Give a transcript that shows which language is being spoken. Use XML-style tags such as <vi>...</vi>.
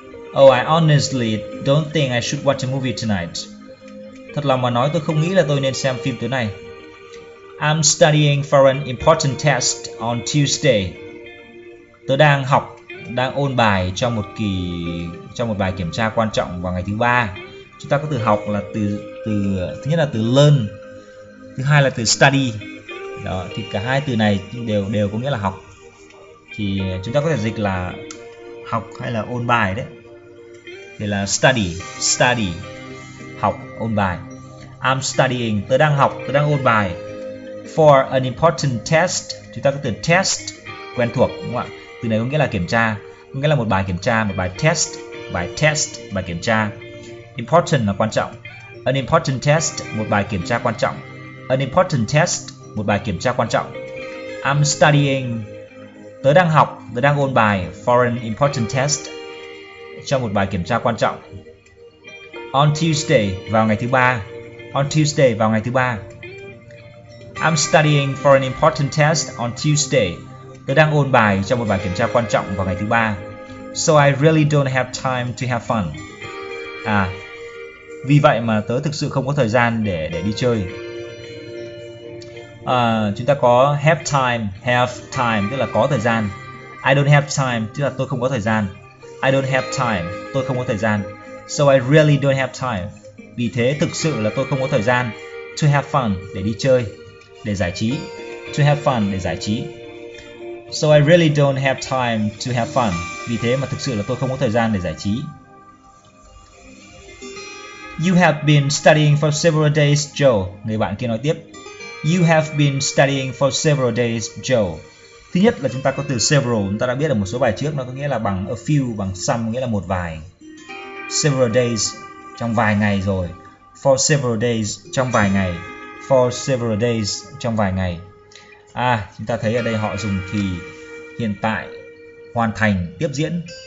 <en>Oh, I honestly don't think I should watch a movie tonight.</en> <vi>Thật lòng mà nói tôi không nghĩ là tôi nên xem phim tối nay.</vi> <en>I'm studying for an important test on Tuesday.</en> <vi>Tôi đang học, đang ôn bài cho một kỳ, cho một bài kiểm tra quan trọng vào ngày thứ ba. Chúng ta có từ học là từ thứ nhất là từ learn, thứ hai là từ study. Đó, thì cả hai từ này đều có nghĩa là học. Thì chúng ta có thể dịch là học hay là ôn bài đấy. Thì là study. Học, ôn bài.</vi> <en>I'm studying,</en> <vi>tôi đang học, tôi đang ôn bài.</vi> <en>For an important test,</en> <vi>chúng ta có từ test, quen thuộc đúng không ạ? Từ này có nghĩa là kiểm tra, có nghĩa là một bài kiểm tra, một bài test, bài kiểm tra. Important là quan trọng.</vi> <en>An important test,</en> <vi>một bài kiểm tra quan trọng. An important test, một bài kiểm tra quan trọng.</vi> <en>I'm studying,</en> <vi>tớ đang học, tớ đang ôn bài.</vi> <en>For an important test,</en> <vi>cho một bài kiểm tra quan trọng.</vi> <en>On Tuesday,</en> <vi>vào ngày thứ ba.</vi> <en>I'm studying for an important test on Tuesday.</en> <vi>Tớ đang ôn bài cho một bài kiểm tra quan trọng vào ngày thứ ba.</vi> <en>So I really don't have time to have fun.</en> <vi>À, vì vậy mà tớ thực sự không có thời gian để đi chơi. À, chúng ta có have time tức là có thời gian.</vi> <en>I don't have time</en> <vi>tức là tôi không có thời gian. I don't have time, tôi không có thời gian.</vi> <en>So I really don't have time.</en> <vi>Vì thế thực sự là tôi không có thời gian.</vi> <en>To have fun,</en> <vi>để đi chơi, để giải trí.</vi> <en>To have fun,</en> <vi>để giải trí.</vi> <en>So I really don't have time to have fun.</en> <vi>Vì thế mà thực sự là tôi không có thời gian để giải trí.</vi> <en>You have been studying for several days, Joe.</en> <vi>Người bạn kia nói tiếp.</vi> <en>You have been studying for several days, Joe.</en> <vi>Thứ nhất là chúng ta có từ several. Chúng ta đã biết ở một số bài trước nó có nghĩa là bằng a few, bằng some, nghĩa là một vài.</vi> <en>Several days,</en> <vi>trong vài ngày rồi.</vi> <en>For several days,</en> <vi>trong vài ngày.</vi> <en>For several days,</en> <vi>trong vài ngày. À, chúng ta thấy ở đây họ dùng thì hiện tại hoàn thành, tiếp diễn.</vi>